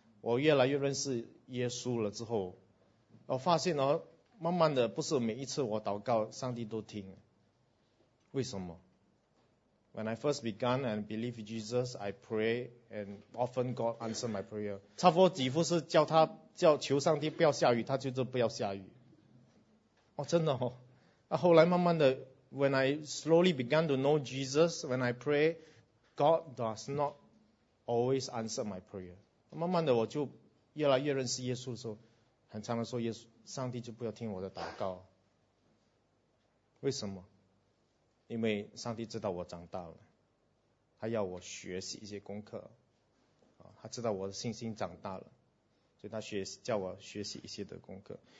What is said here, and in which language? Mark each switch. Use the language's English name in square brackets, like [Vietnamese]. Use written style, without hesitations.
[Chinese] 我越来越认识耶稣了之后，我发现哦，慢慢的不是每一次我祷告上帝都听，为什么 ？ [English] When I first began and believe in Jesus, I pray and often God answer my prayer。 [Chinese] 差不多几乎是叫求上帝不要下雨，他就是不要下雨。哦，真的哦。那后来慢慢的 [English] ，When I slowly began to know Jesus, when I pray, God does not always answer my prayer。 [Chinese] 慢慢的我就越来越认识耶稣的时候，很常的说耶稣，上帝就不要听我的祷告。为什么？因为上帝知道我长大了，他要我学习一些功课，他知道我的信心长大了，所以他叫我学习一些的功课。